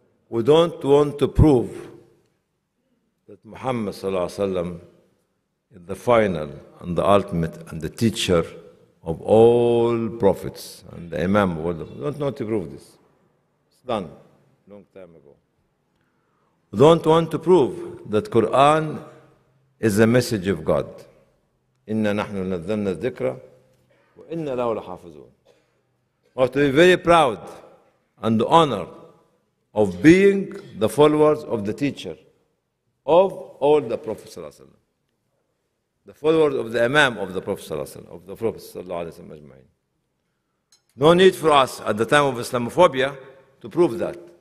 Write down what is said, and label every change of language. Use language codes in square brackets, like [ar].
[en] We don't want to prove that Muhammad [ar] صلى الله عليه وسلم [en] is the final and the ultimate and the teacher of all prophets and the Imam of all. We don't want to prove this. It's done long time ago. We don't want to prove that Quran is a message of God. [ar] إنا نحن نزلنا الذكرى وإنا له لحافظون. [en] We have to be very proud and honored of being the followers of the teacher of all the Prophet [ar] صلى الله عليه وسلم. [en] The followers of the Imam of the Prophet صلى الله عليه وسلم, of the Prophet [ar] صلى الله عليه وسلم أجمعين. [en] No need for us at the time of Islamophobia to prove that.